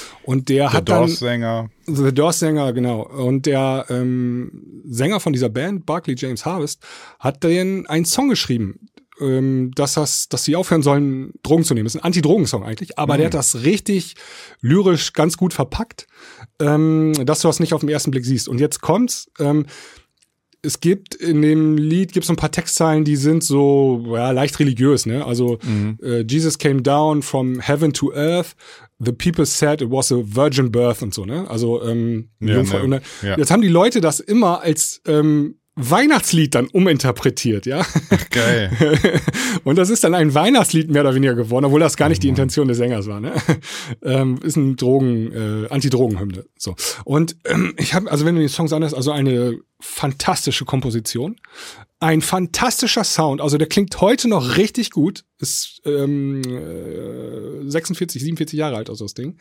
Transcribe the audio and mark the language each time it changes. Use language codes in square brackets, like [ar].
[de] Und The Doors-Sänger, genau. Und der Sänger von dieser Band, Barclay James Harvest, hat denen einen Song geschrieben, dass sie aufhören sollen, Drogen zu nehmen. Das ist ein Anti-Drogen-Song eigentlich, aber der hat das richtig lyrisch ganz gut verpackt, dass du das nicht auf den ersten Blick siehst. Und jetzt kommt's, es gibt in dem Lied gibt's so ein paar Textzeilen, die sind so leicht religiös, ne? [en] Also Jesus came down from heaven to earth, the people said it was a virgin birth [de] und so, ne? Also jetzt haben die Leute das immer als Weihnachtslied dann uminterpretiert, ja? Ach, geil. Und das ist dann ein Weihnachtslied mehr oder weniger geworden, obwohl das gar nicht die Intention des Sängers war, ne? Ist ein Anti-Drogen-Hymne, so. Und wenn du den Songs anhörst, also eine fantastische Komposition, ein fantastischer Sound, also der klingt heute noch richtig gut, ist 46, 47 Jahre alt, also das Ding.